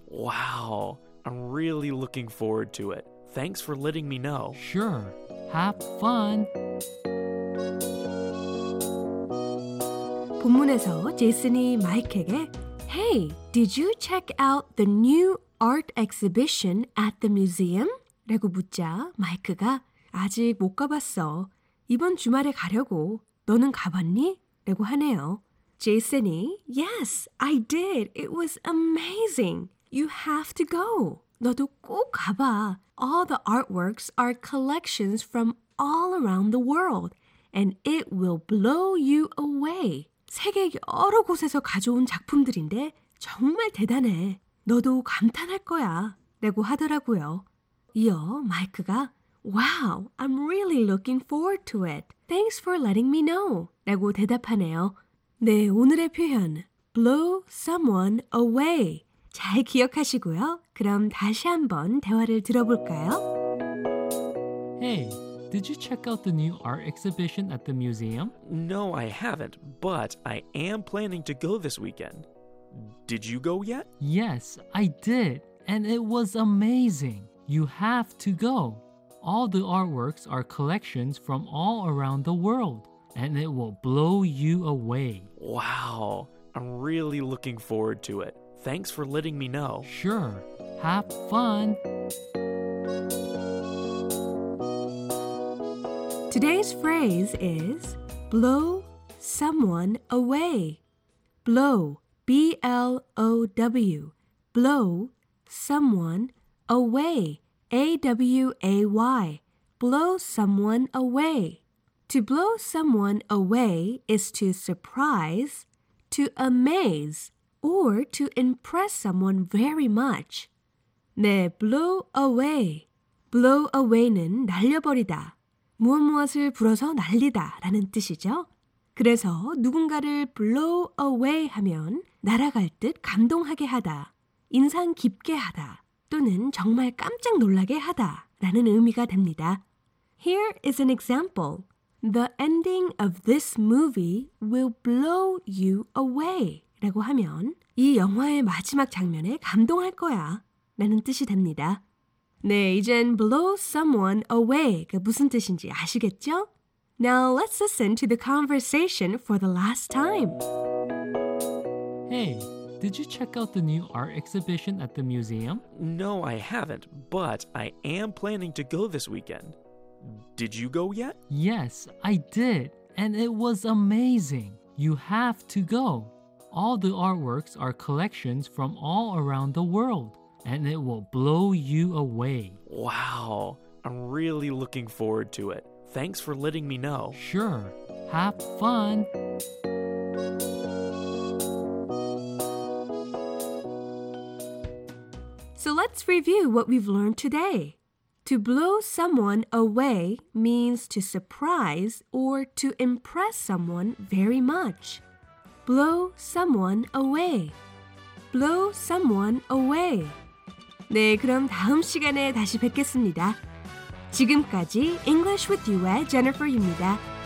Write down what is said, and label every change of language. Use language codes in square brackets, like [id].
[en] Wow, I'm really looking forward to it. Thanks for letting me know. Sure, have fun. 본문에서 제이슨이 마이크에게, Hey, did you check out the new art exhibition at the museum? [ko] 라고 묻자 마이크가 아직 못 가봤어. 이번 주말에 가려고. 너는 가봤니? 라고 하네요. [en] 제이슨이 Yes, I did. It was amazing. You have to go. [ko] 너도 꼭 가봐. [en] All the artworks are collections from all around the world. And it will blow you away. [ko] 세계 여러 곳에서 가져온 작품들인데 정말 대단해. 너도 감탄할 거야. 라고 하더라고요. [en] 이어 마이크가 Wow, I'm really looking forward to it. Thanks for letting me know. [ko] 라고 대답하네요. 네, 오늘의 표현, blow someone away. 잘 기억하시고요. 그럼 다시 한번 대화를 들어볼까요? [en] Hey, did you check out the new art exhibition at the museum? No, I haven't, but I am planning to go this weekend. Did you go yet? Yes, I did, and it was amazing. You have to go. All the artworks are collections from all around the world, and it will blow you away. Wow, I'm really looking forward to it. Thanks for letting me know. Sure, have fun. Today's phrase is blow someone away. Blow, B-L-O-W, blow someone away. A-W-A-Y, blow someone away. To blow someone away is to surprise, to amaze, or to impress someone very much. 네, blow away. [ko] Blow away 는 날려버리다, 무엇무엇을 불어서 날리다 라는 뜻이죠. 그래서 누군가를 blow away 하면 날아갈 듯 감동하게 하다, 인상 깊게 하다. 또는 정말 깜짝 놀라게 하다라는 의미가 됩니다. [en] Here is an example. The ending of this movie will blow you away. [ko] 라고 하면 이 영화의 마지막 장면에 감동할 거야 라는 뜻이 됩니다. 네, 이젠 blow someone away 가 무슨 뜻인지 아시겠죠? [en] Now let's listen to the conversation for the last time. Hey, Did you check out the new art exhibition at the museum? No, I haven't, but I am planning to go this weekend. Did you go yet? Yes, I did, and it was amazing. You have to go. All the artworks are collections from all around the world, and it will blow you away. Wow, I'm really looking forward to it. Thanks for letting me know. Sure. Have fun. So let's review what we've learned today. To blow someone away means to surprise or to impress someone very much. Blow someone away. Blow someone away. [ko] 네, 그럼 다음 시간에 다시 뵙겠습니다. 지금까지 English with You의 Jennifer입니다.